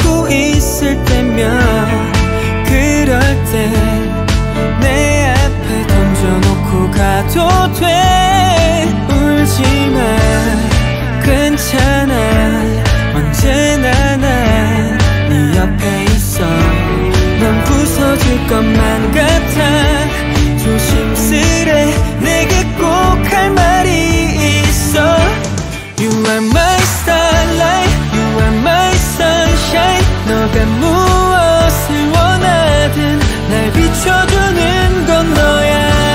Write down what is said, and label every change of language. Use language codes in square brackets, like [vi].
[ko] 있을 때면 그럴 때 내 앞에 던져놓고 가도 돼. 울지 마 괜찮아 언제나 난 네 옆에 있어. 넌 부서질 것만 같아 조심스레. 내게 꼭 할 말이 있어. [en] You are my starlight, you are my sunshine. [ko] 너가 무엇을 원하든 날 비춰주는 건 너야.